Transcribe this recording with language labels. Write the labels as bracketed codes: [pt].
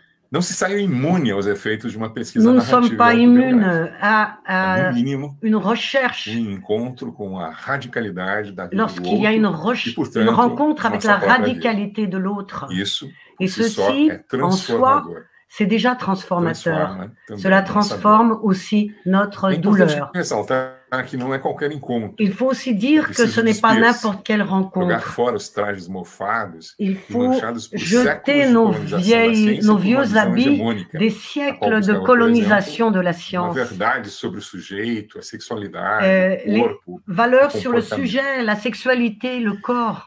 [pt] Não se saiu imune aos efeitos de uma pesquisa. [fr] Nous ne sommes pas imunes à une recherche. [pt] Um encontro com a radicalidade da vida. [fr] Lorsqu'il y a une rencontre avec la radicalité de l'autre. [pt] Isso. [fr] Et ceci en soi, c'est déjà transformateur. Cela transforme aussi notre douleur. [pt] Ah, que não é qualquer encontro. [fr] Il faut aussi dire que ce n'est pas n'importe quelle rencontre. [pt] Jogar fora os trajes mofados, [fr] il faut jeter nos vieux habits des siècles de colonisation de la science. [pt] Uma verdade sobre o sujeito, a sexualidade, [fr] les valeurs sur le sujet, la sexualité, le corps.